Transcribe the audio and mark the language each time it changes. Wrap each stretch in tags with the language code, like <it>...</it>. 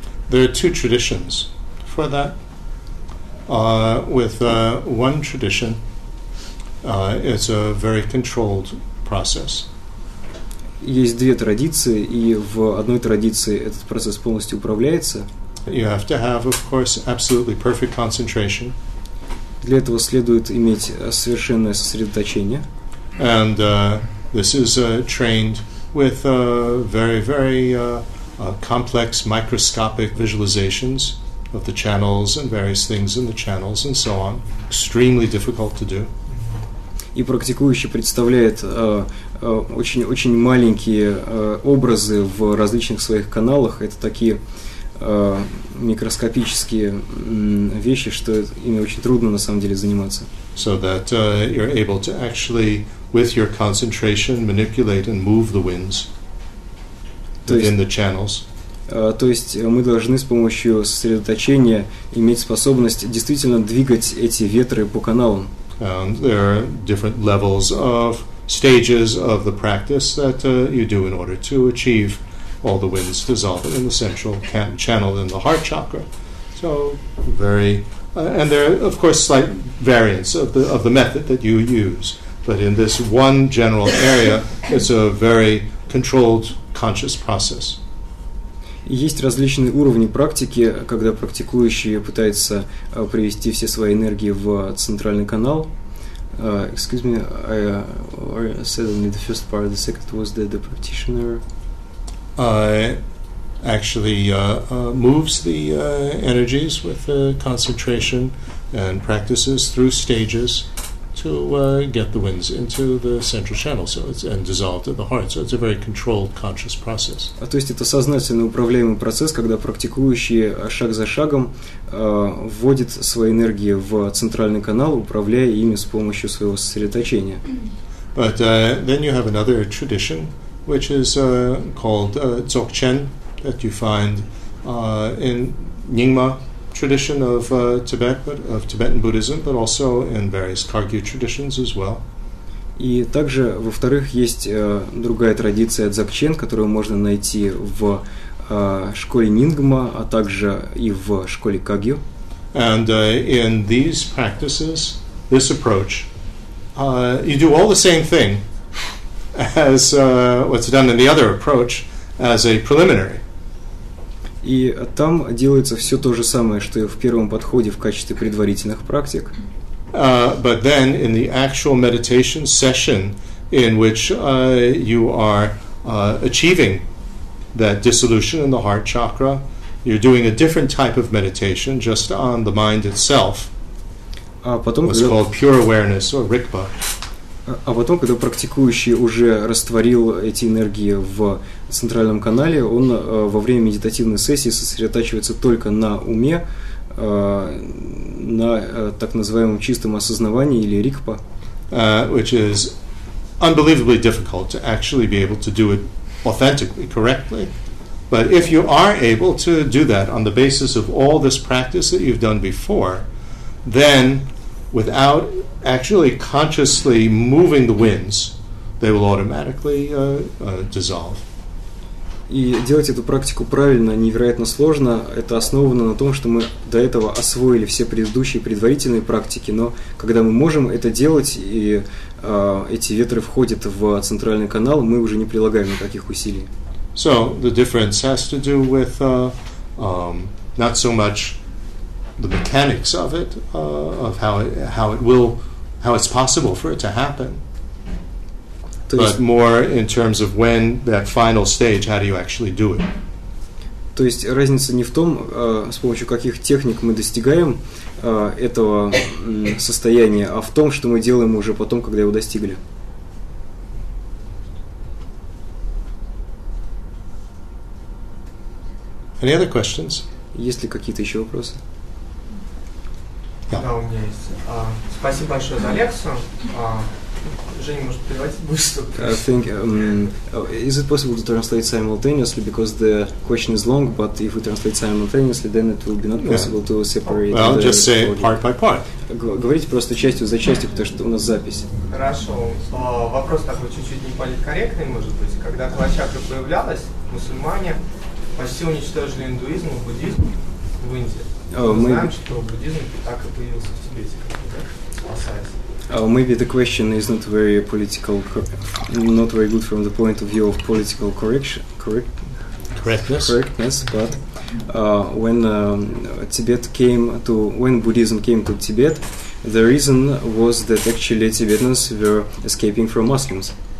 <en>There are two traditions for that. With one tradition, it's a very controlled process.</en> <ru>Есть две традиции, и в одной традиции этот процесс полностью управляется.</ru> <en>You have to have, of course, absolutely perfect concentration.</en> <ru>Для этого следует иметь совершенное сосредоточение.</ru> <en>And this is trained with very, very complex microscopic visualizations of the channels and various things in the channels and so on. Extremely difficult to do.</en> <ru>И практикующий представляет очень-очень маленькие образы в различных своих каналах. Это такие микроскопические вещи, что ими очень трудно на самом деле заниматься.</ru> <en>So that you're able to actually, with your concentration, manipulate and move the winds within the channels.</en> <ru>То есть мы должны с помощью сосредоточения иметь способность действительно двигать эти ветры по каналам.</ru> <en>And there are different levels of stages of the practice that you do in order to achieve all the winds dissolved in the central channel in the heart chakra. So very, and there are of course slight variants of the method that you use. But in this one general area, it's a very controlled conscious process.</en> <ru>Есть различные уровни практики, когда практикующий пытается привести все свои энергии в центральный канал.</ru> <en>Excuse me, I said only the first part, the second was the practitioner. Moves the energies with the concentration and practices through stages to get the winds into the central channel, so it's and dissolved at the heart. So it's a very controlled conscious process.</en> <ru>То есть это сознательно управляемый процесс, когда практикующий шаг за шагом вводит свои энергии в центральный канал, управляя ими с помощью своего сосредоточения.</ru> <en>But then you have another tradition, which is called Dzogchen, that you find in Nyingma tradition of Tibet, but of Tibetan Buddhism, but also in various Kagyu traditions as well.</en> <ru>И также, во-вторых, есть другая традиция дзогчен, которую можно найти в школе Нингма, а также и в школе Кагью.</ru> <en>And in these practices, this approach, you do all the same thing as what's done in the other approach as a preliminary.</en> <ru>И там делается все то же самое, что и в первом подходе в качестве предварительных практик.</ru> <en>But then in the actual meditation session in which you are achieving that dissolution in the heart chakra, you're doing a different type of meditation just on the mind itself. What's called pure awareness or rikpa.</en> <ru>А потом, когда практикующий уже растворил эти энергии в центральном канале, он во время медитативной сессии сосредотачивается только на уме, на так называемом чистом осознавании или рикпа.</ru> <en>Which is unbelievably difficult to actually be able to do it authentically, correctly. But if you are able to do that on the basis of all this practice that you've done before, then without actually consciously moving the winds, they will automatically dissolve.</en> <ru>И делать эту практику правильно невероятно сложно. Это основано на том, что мы до этого освоили все предыдущие предварительные практики. Но когда мы можем это делать, и эти ветры входят в центральный канал, мы уже не прилагаем никаких усилий.</ru> <en>So the difference has to do with not so much the mechanics of it, of how it's possible for it to happen, but more in terms of when that final stage, how do you actually do it?</en> <ru>То есть разница не в том, с помощью каких техник мы достигаем этого состояния, а в том, что мы делаем уже потом, когда его достигли.</ru> <en>Any other questions?</en> <ru>Есть ли какие-то еще вопросы? Да. Да, у меня есть. Спасибо большое за лекцию. Женя, может, переводить будешь что-то?</ru> <en>I think, is it possible to translate simultaneously? Because the question is long, but if we translate simultaneously, then it will be not possible to separate. Well, just say part by part.</en> <ru>Говорите просто частью за частью, потому что у нас запись. Хорошо. Вопрос такой чуть-чуть неполиткорректный, может быть. Когда клачакра появлялась, мусульмане почти уничтожили индуизм и буддизм в Индии. Мы знаем, что буддизм так и появился в Тибете, как бы, да? Спасаясь.</ru> <en>Maybe the question is not very political, not very good from the point of view of political correctness. But when Buddhism came to Tibet, the reason was that actually Tibetans were escaping from Muslims.</en>